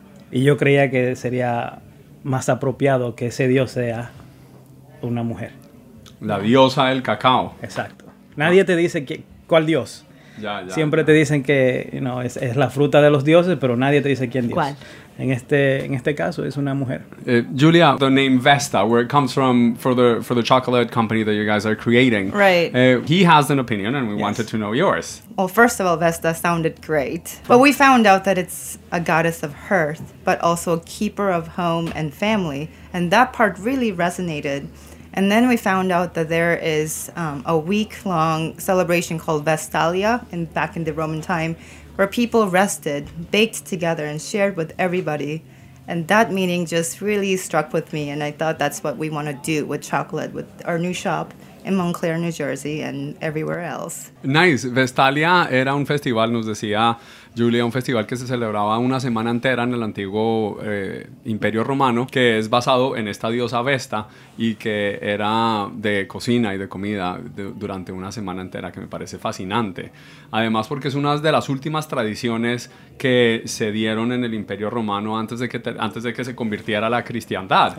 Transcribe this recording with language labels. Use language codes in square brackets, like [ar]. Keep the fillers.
[es] Y yo creía que sería más apropiado que ese dios sea una mujer. La diosa del cacao. Exacto. Nadie te dice que- cuál dios. Ya, ya. Siempre te dicen que [en] you know, [es] es, es la fruta de los dioses, pero nadie te dice quién dios. ¿Cuál? En este, en este caso es una mujer. [en] Uh, Julia, the name Vesta, where it comes from for the for the chocolate company that you guys are creating. Right. Uh, he has an opinion, and we wanted to know yours. Well, first of all, Vesta sounded great. But we found out that it's a goddess of hearth, but also a keeper of home and family. And that part really resonated. And then we found out that there is um, a week long celebration called Vestalia in, back in the Roman time, where people rested, baked together, and shared with everybody. And that meaning just really struck with me. And I thought that's what we want to do with chocolate, with our new shop in Montclair, New Jersey, and everywhere else. [es] Nice. Vestalia era un festival, nos decía Julia, un festival que se celebraba una semana entera en el antiguo eh, Imperio Romano, que es basado en esta diosa Vesta y que era de cocina y de comida de- durante una semana entera, que me parece fascinante. Además, porque es una de las últimas tradiciones que se dieron en el Imperio Romano antes de que, te- antes de que se convirtiera a la cristiandad.